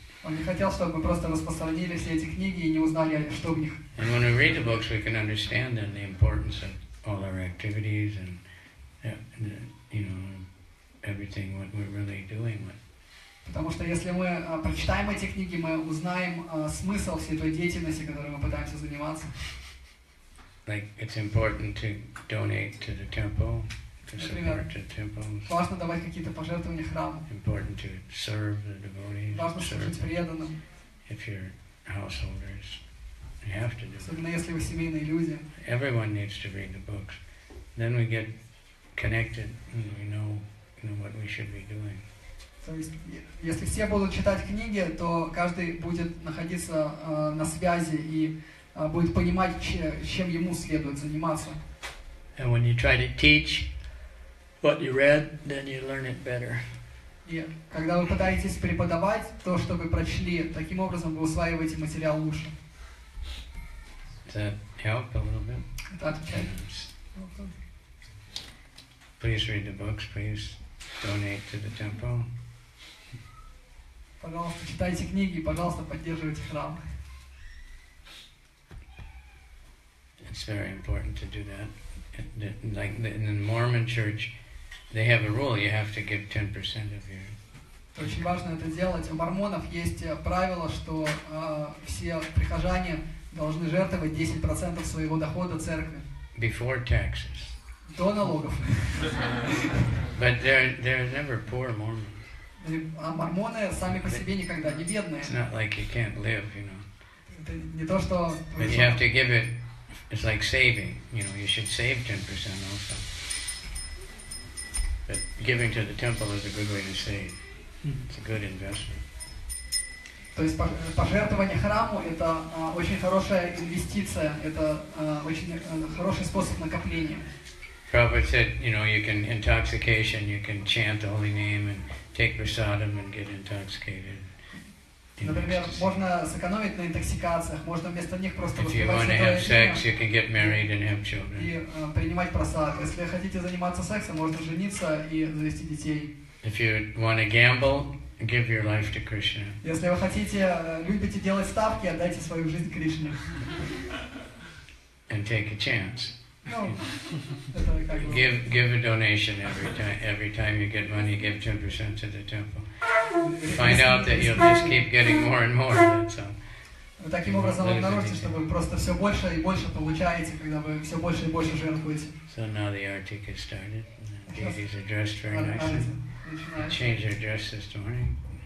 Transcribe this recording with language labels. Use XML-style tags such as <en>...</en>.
<ru>Он не хотел, чтобы мы просто распространили все эти книги и не узнали, что в них.</ru> <en>And when we read the books, we can understand then the importance of all our activities and the, you know, everything, what we're really doing.</en> <ru>Потому что если мы прочитаем эти книги, мы узнаем смысл всей той деятельности, которой мы пытаемся заниматься.</ru> <en>Like, it's important to donate to the temple, to support the temples.</en> <ru>Важно давать какие-то пожертвования храму.</ru> <en>Important to serve the devotees.</en> <ru>Важно служить преданным.</ru> <en>If you're householders, you have to do.</en> <ru>Особенно если вы семейные люди.</ru> <en>Everyone needs to read the books. Then we get connected and we know, you know, what we should be doing.</en> <ru>То есть, если все будут читать книги, то каждый будет находиться на связи и будет понимать, чем ему следует заниматься.</ru> <en>And when you try to teach what you read, then you learn it better.</en> <ru>И когда вы пытаетесь преподавать то, что вы прочли, таким образом вы усваиваете материал лучше.</ru> <en>Does that help a little bit? That helps. Okay. Please read the books. Please donate to the temple.</en> <ru>Пожалуйста, читайте книги и, пожалуйста, поддерживайте храм.</ru> <en>It's very important to do that. Like in the Mormon Church, they have a rule: you have to give 10% of your.</en> <ru>Это очень важно это делать. У мормонов есть правило, что все прихожане должны жертвовать 10% своего дохода церкви.</ru> <en>Before taxes.</en> <ru>До налогов.</ru> <en>But they're never poor Mormons.</en> <ru>А мормоны сами по себе никогда не бедные.</ru> <en>It's not like you can't live, you know.</en> <ru>Не то, что...</ru> <en>But you have to give it, it's like saving, you know, you should save 10% also. But giving to the temple is a good way to save. It's a good investment.</en> <ru>То есть пожертвование храму – это очень хорошая инвестиция, это очень хороший способ накопления.</ru> <en>Prabhupada said, you know, you can intoxication, you can chant the holy name and take prasadam and get intoxicated.</en> <ru>Например, можно сэкономить на интоксикациях, можно вместо них просто воспевать святое имя.</ru> <en>If you want to have sex, you can get married and have children.</en> <ru>И принимать прасад. Если хотите заниматься сексом, можно жениться и завести детей.</ru> <en>If you want to gamble, give your life to Krishna.</en> <ru>Если вы хотите, любите делать ставки, отдайте свою жизнь Кришне.</ru> <en>And take a chance. No. give a donation every time you get money, give 10% to the temple. Find out that you'll just keep getting more and more.</en> <ru>Таким образом вы обнаружите, что вы просто все больше и больше получаете, когда вы все больше и больше жертвуете.</ru> <en>So now the arti has started. Deities are dressed very nicely. Change their dress this morning.</en>